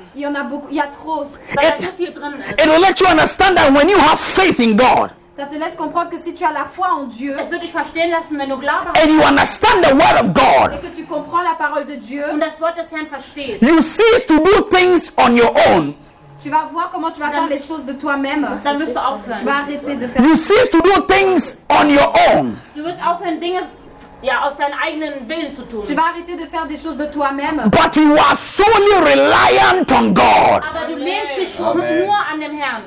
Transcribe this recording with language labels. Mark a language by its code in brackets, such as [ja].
[en] It will let you understand that when you have faith in God, and you understand the word of God, you cease to do things on your own. [fr] Tu vas voir comment tu vas faire les choses de toi-même. Tu vas arrêter de faire. [en] You cease to do things on your own. [fr] Tu vas [de] aufhören Dinge aus deinem eigenen Willen zu tun. [fr] Tu vas arrêter de faire des choses de toi-même. [en] But you are solely reliant on God. [de] Aber du lehnst dich nur an dem Herrn.